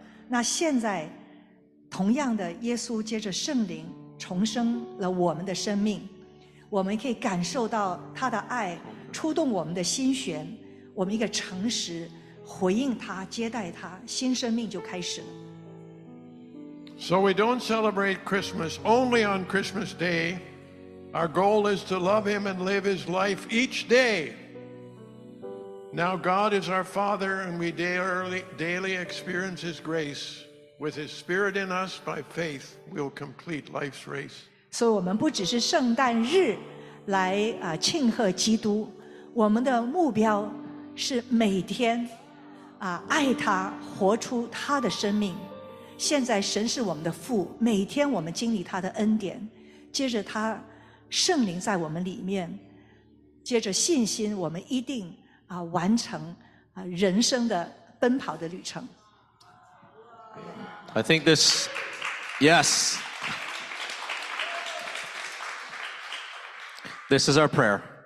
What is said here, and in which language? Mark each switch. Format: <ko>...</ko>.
<zh>那现在，同样的，耶稣接着圣灵重生了我们的生命。我们可以感受到他的爱触动我们的心弦。我们一个诚实回应他，接待他，新生命就开始了。</zh> <en>So we don't celebrate Christmas only on Christmas Day. Our goal is to love him and live his life each day. Now God is our Father, and we daily experience his grace. With his Spirit in us, by faith, we'll complete life's race. So we don't just celebrate Christmas to celebrate Jesus. Our goal is to love him and live his life each day.</en> <zh>现在神是我们的父，每天我们经历他的恩典，接着他圣灵在我们里面，接着信心，我们一定完成人生的奔跑的旅程。</zh> <en>I think this, yes, this is our prayer.</en>